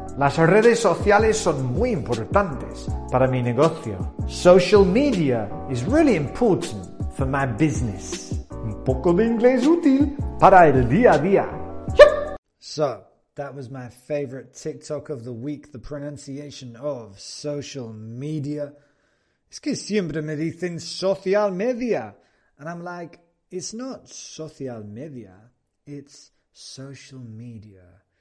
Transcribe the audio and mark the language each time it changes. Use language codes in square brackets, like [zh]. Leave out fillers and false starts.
[es] Las redes sociales son muy importantes para mi negocio. [en] Social media is really important for my business. [es] Un poco de inglés útil para el día a día. [en] So, that was my favorite TikTok of the week, the pronunciation of social media. [es] Es que siempre me dicen [en] social media. And I'm like, it's not social media, it's social media.